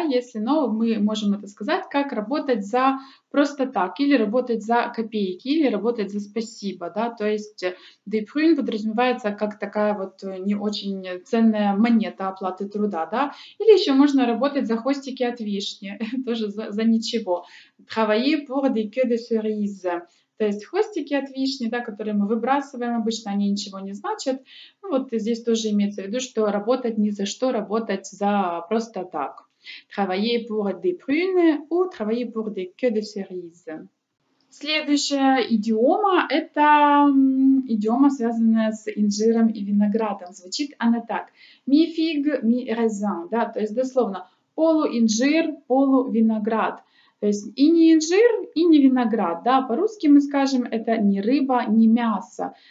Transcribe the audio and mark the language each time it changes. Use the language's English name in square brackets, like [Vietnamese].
[Russian] Если, но мы можем это сказать как работать за просто так, или работать за копейки, или работать за спасибо, да. То есть, [French] des prunes [Russian] подразумевается как такая вот не очень ценная монета оплаты труда, да. Или еще можно работать за хвостики от вишни, тоже за ничего. [French] Travailler pour des queues de cerise. [Russian] То есть хвостики от вишни, да, которые мы выбрасываем, обычно они ничего не значат. Ну, вот здесь тоже имеется в виду, что работать ни за что, работать за просто так. [French] Travailler pour des prunes ou travailler pour des queues de cerise. [Russian] Следующая идиома – это идиома, связанная с инжиром и виноградом. Звучит она так. [French] Mi fig, mi raisin. [Russian] Да, то есть дословно полуинжир, полувиноград. То есть и не инжир, и не виноград, да, по-русски мы скажем, это не рыба, не мясо.